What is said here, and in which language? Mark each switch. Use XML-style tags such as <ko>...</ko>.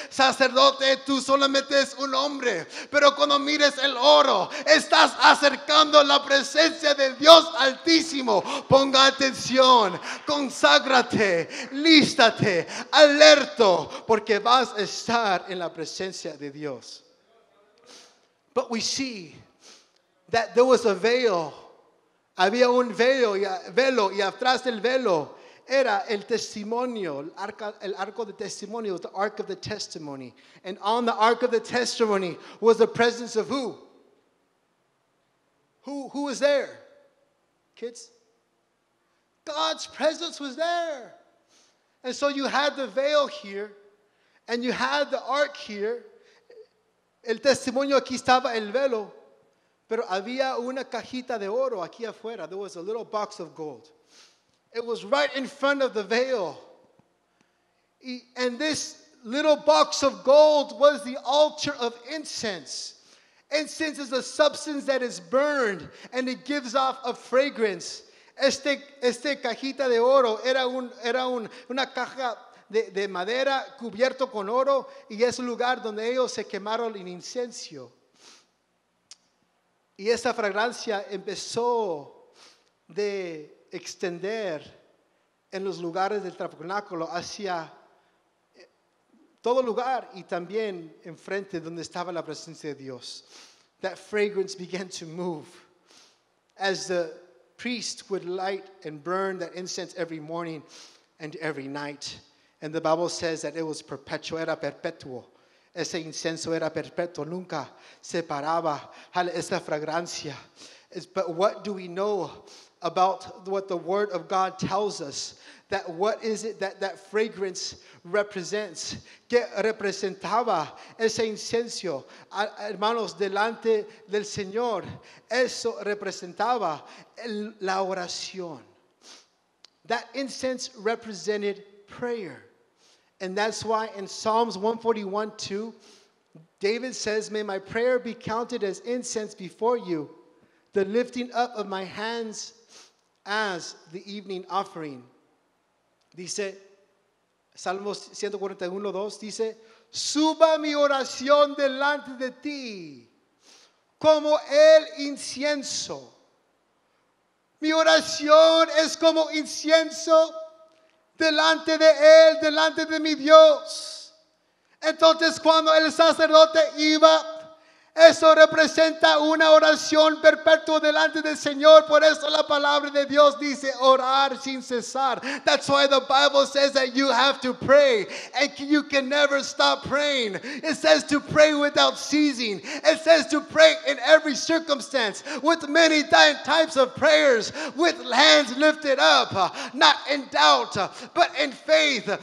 <es>Sacerdote, tú solamente es un hombre, pero cuando mires el oro, estás acercando la presencia de Dios Altísimo. Ponga atención, conságrate, lístate, alerta, porque vas a estar en la presencia de Dios.</es> <en>But we see that there was a veil.</en> <es>Había un velo, y atrás del velo era el testimonio, el arco de testimonio,</es> <en>the ark of the testimony. And on the ark of the testimony was the presence of who? Who was there? Kids? God's presence was there. And so you had the veil here, and you had the ark here.</en> <es>El testimonio, aquí estaba el velo, pero había una cajita de oro aquí afuera.</es> <en>There was a little box of gold. It was right in front of the veil. And this little box of gold was the altar of incense. Incense is a substance that is burned, and it gives off a fragrance.</en> <es>Este cajita de oro era una caja de madera cubierto con oro, y es el lugar donde ellos se quemaron el incienso. Y esa fragancia empezó de extender en los lugares del tabernáculo hacia todo lugar, y también enfrente donde estaba la presencia de Dios.</es> <en>That fragrance began to move as the priest would light and burn that incense every morning and every night. And the Bible says that it was perpetual,</en> <es>era perpetuo. Ese incenso era perpetuo, nunca se paraba. Esa fragancia.</es> <en>is, but what do we know about what the Word of God tells us? That what is it that that fragrance represents?</en> <es>¿Qué representaba ese incienso, hermanos, delante del Señor? Eso representaba la oración.</es> <en>That incense represented prayer. And that's why in Psalms 141:2, David says, may my prayer be counted as incense before you, the lifting up of my hands as the evening offering.</en> <es>Dice, Salmos 141:2, dice, suba mi oración delante de ti como el incienso. Mi oración es como incienso delante de Él, delante de mi Dios. Entonces, cuando el sacerdote iba, eso representa una oración perpetua delante del Señor. Por eso la palabra de Dios dice orar sin cesar.</es> <en>That's why the Bible says that you have to pray and you can never stop praying. It says to pray without ceasing. It says to pray in every circumstance with many types of prayers, with hands lifted up, not in doubt, but in faith.</en>